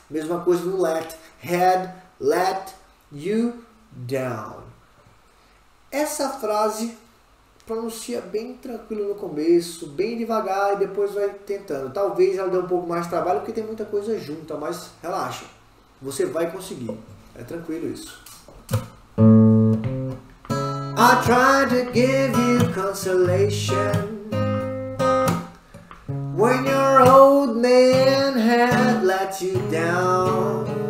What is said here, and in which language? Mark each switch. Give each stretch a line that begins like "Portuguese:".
Portuguese: Mesma coisa no let. Had,
English: let you down.
Portuguese: Essa frase pronuncia bem tranquilo no começo, bem devagar e depois vai tentando. Talvez ela dê um pouco mais de trabalho porque tem muita coisa junta, mas relaxa. Você vai conseguir. É tranquilo isso.
English: I try to give you consolation when your old man had let you down.